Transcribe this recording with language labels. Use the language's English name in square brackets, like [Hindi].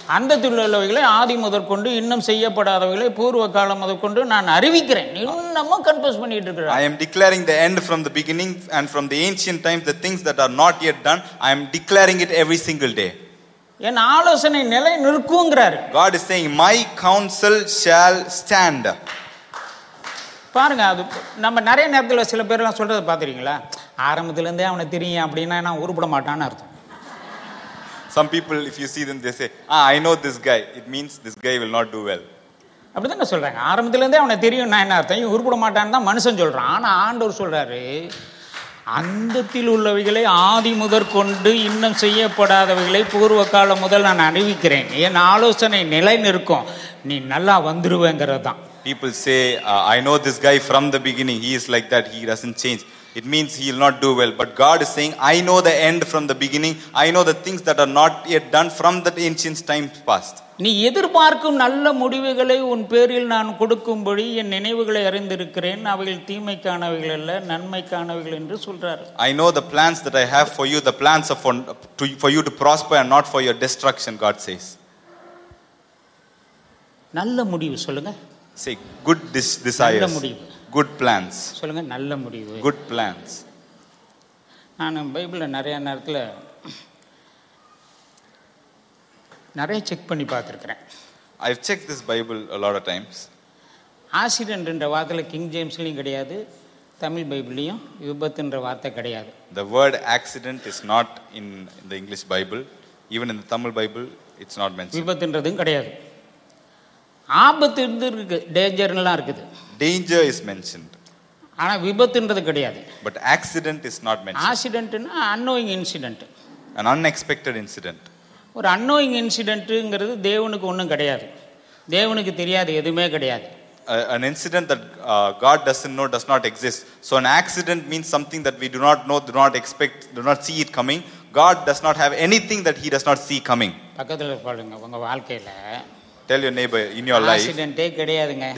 [Tamil] அந்தத்துள்ளவைகளை ஆதி முதற் கொண்டு இன்னும் செய்யப்படாதவைகளை பூர்வ காலம் முதற் கொண்டு நான் அறிவிக்கிறேன், இன்னமும் கன்ஃபஸ் பண்ணிட்டு இருக்கிறேன். [English] I am declaring the end from the beginning and from the ancient times, the things that are not yet done, I am declaring it every single day. [Tamil] என் ஆலோசனை நிலை நிற்குங்கிறார். [English] God is saying my counsel shall stand. [Tamil] பாருங்க, அது நம்ம நிறைய நேரத்தில் சில பேர்லாம் சொல்றதை பார்த்துருக்கீங்களா, ஆரம்பத்திலேருந்தே அவனை தெரியும் அப்படின்னா நான் உருப்பிட மாட்டான்னு அர்த்தம். [English] Some people, if you see them, they say, I know this guy. It means this guy will not do well. [Tamil] அப்படிதானே சொல்றாங்க, ஆரம்பத்திலேருந்தே அவனை தெரியும் நான் என்ன அர்த்தம், இவன் உருப்பிட மாட்டான்னு தான் மனுஷன் சொல்றான். ஆனால் ஆண்டவர் சொல்றாரு, அந்தத்தில் உள்ளவைகளை ஆதி முதற் கொண்டு இன்னும் செய்யப்படாதவைகளை பூர்வ காலம் முதல் நான் அறிவிக்கிறேன், என் ஆலோசனை நிலை நிற்கும், நீ நல்லா வந்துடுவேங்கிறது தான். [English] People say, I know this guy from the beginning. He is like that. He doesn't change. It means he will not do well. But God is saying, I know the end from the beginning. I know the things that are not yet done from that ancient time past. [Tamil] நீ எதிர்பார்க்கும் நல்ல முடிவுகளை உன் பேரில் நான் கொடுக்கும்படி என் நினைவுகளை அறிந்திருக்கிறேன், அவைகள் தீமைக்கானவைகள் அல்ல நன்மைக்கானவைகள் என்று சொல்றாரு. [English] I know the plans that I have for you, the plans of for you to prosper and not for your destruction, God says. [Tamil] நல்ல முடிவு சொல்லுங்க. [English] Say good desires, good plans. [Tamil] சொல்லுங்க நல்ல முடிவு. [English] Good plans. [Tamil] நான் பைபிள்ல நிறைய நேரத்துல நிறைய செக் பண்ணி பார்த்திருக்கிறேன். [English] I've checked this Bible a lot of times. [Tamil] ஆசிரியன்ற வார்த்தையில கிங் ஜேம்ஸ்லயும் கிடையாது, தமிழ் பைபிள்லயும் விபத்துன்ற வார்த்தை கிடையாது. [English] The word accident is not in the English Bible, even in the Tamil Bible it's not mentioned. [Tamil] விபத்துன்றதும் கிடையாது. ஆபத்து இருந்திருக்கு, டேஞ்சர்லாம் இருக்குது. [English] Danger is mentioned. [Tamil] ஆனா விபத்துன்றது கிடையாது. [English] But accident is not mentioned. [Tamil] ஆக்சிடென்ட்னா [English] unknowing incident. An unexpected incident. [Tamil] ஒரு [English] unknowing incident [Tamil] ங்கிறது தேவனுக்கு ஒன்றும் கிடையாது. தேவனுக்கு தெரியாது, எதுவுமே கிடையாது. [English] An incident that God doesn't know does not exist. So an accident means something that we do not know, do not expect, do not see it coming. God does not have anything that he does not see coming. [Tamil] பக்கத்துல பாருங்க, உங்க வாழ்க்கையில [English] tell your neighbor in your life [Tamil] accidente kediyadunga,